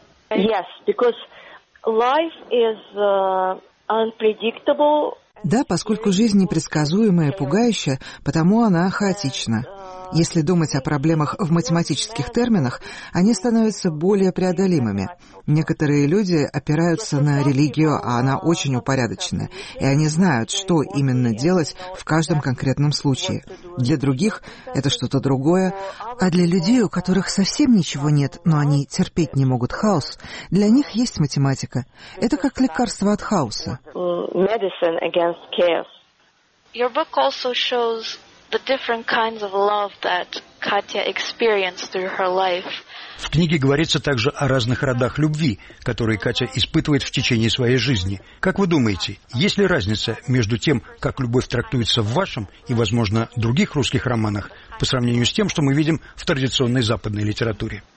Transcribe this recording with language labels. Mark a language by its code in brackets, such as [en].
[en] Yes, because life is unpredictable. [ru] Да, поскольку жизнь непредсказуемая и пугающая, потому она хаотична. Если думать о проблемах в математических терминах, они становятся более преодолимыми. Некоторые люди опираются на религию, а она очень упорядочена, и они знают, что именно делать в каждом конкретном случае. Для других это что-то другое, а для людей, у которых совсем ничего нет, но они терпеть не могут хаос, для них есть математика. Это как лекарство от хаоса. [en] Your book also shows the different kinds of love that Katya experienced through her life. [ru] В книге говорится также о разных родах любви, которые Катя испытывает в течение своей жизни. Как вы думаете, есть ли разница между тем, как любовь трактуется в вашем и, возможно, других русских романах, по сравнению с тем, что мы видим в традиционной западной литературе?